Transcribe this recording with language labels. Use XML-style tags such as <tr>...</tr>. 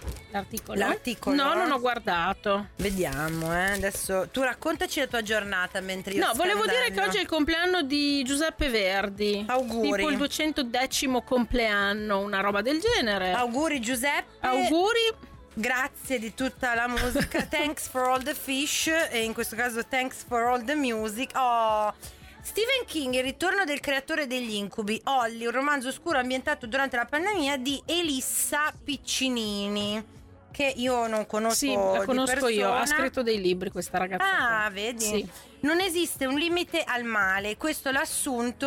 <it>l'articolo? No, non ho guardato. Vediamo, adesso tu raccontaci la tua giornata mentre io No, volevo dire che oggi è il compleanno di Giuseppe Verdi. Auguri. Tipo il 210° compleanno, una roba del genere. Auguri Giuseppe. Auguri. Grazie di tutta la musica.</it> <en>Thanks for all the fish,</en> <it>e in questo caso</it> <en>thanks for all the music.</en> <it>Oh, Stephen King, il ritorno del creatore degli incubi, Holly, un romanzo oscuro ambientato durante la pandemia di Elissa Piccinini, che io non conosco. Sì, la conosco di persona. Io, ha scritto dei libri questa ragazza. Ah, qua. Vedi? Sì. Non esiste un limite al male, questo è l'assunto.</it>